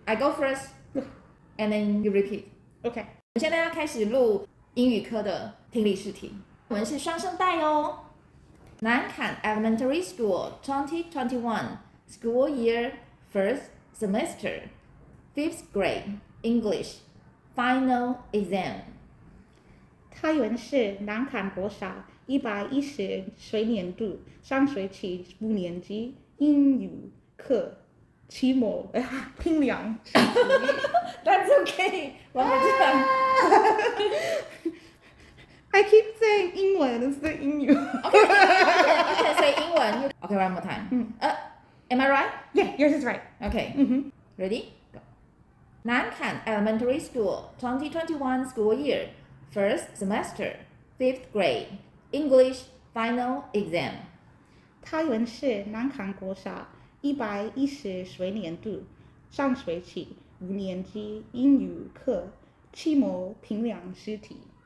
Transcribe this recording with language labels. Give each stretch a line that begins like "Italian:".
English: I go first, and then you repeat. Okay.
Chinese: 我现在要开始录英语科的听力试题，我们是双声带哦。
English: 南坎 Elementary School 2021 School Year First Semester Fifth Grade. English Final Exam.
Chinese: 开源是南坎国小110学年度上学期五年级英语课期末拼量。
English: That's okay.
Chinese: 我们这样。
English: I keep saying 英文 instead of 英语。 Okay, you can say 英文。 Okay, one more time. Am I right? Yeah, yours is right. Okay. Ready? Nankan Elementary School 2021 School Year First Semester Fifth Grade English Final Exam
Chinese: 开源是南坎国小110学年度上学期五年级英语课期末评量试题